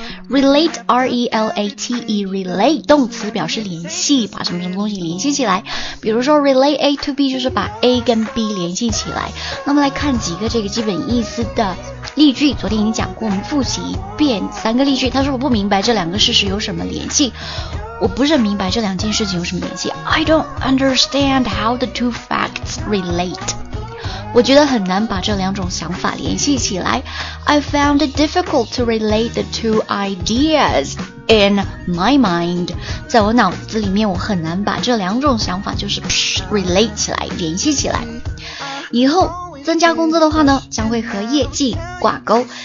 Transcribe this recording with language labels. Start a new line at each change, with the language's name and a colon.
English: relate, R-E-L-A-T-E, relate
Chinese: 动词，表示联系，把什么什么东西联系起来。比如说
English: relate A to B
Chinese: 就是把 A 跟 B 联系起来。那么来看几个这个基本意思的例句，昨天已经讲过，我们复习一遍三个例句。他说我不明白这两个事实有什么联系，我不是很明白这两件事情有什么联系。
English: I don't understand how the two facts relate。
Chinese: 我觉得很难把这两种想法联系起来。
English: I found it difficult to relate the two ideas in my mind。
Chinese: 在我脑子里面我很难把这两种想法就是 relate 起来，联系起来。以后增加工资的话呢，将会和业绩挂钩。